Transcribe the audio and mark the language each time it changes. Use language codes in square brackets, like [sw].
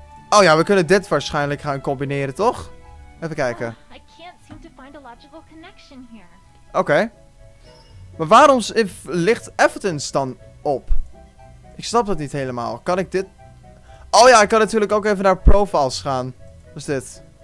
[nl] Oh ja, we kunnen dit waarschijnlijk gaan combineren, toch? Even kijken. [en] I can't seem to find a logical connection here. Oké. [nl] Maar waarom ligt evidence dan op? Ik snap dat niet helemaal. Kan ik dit... Oh ja, ik kan natuurlijk ook even naar profiles gaan. Wat is dit?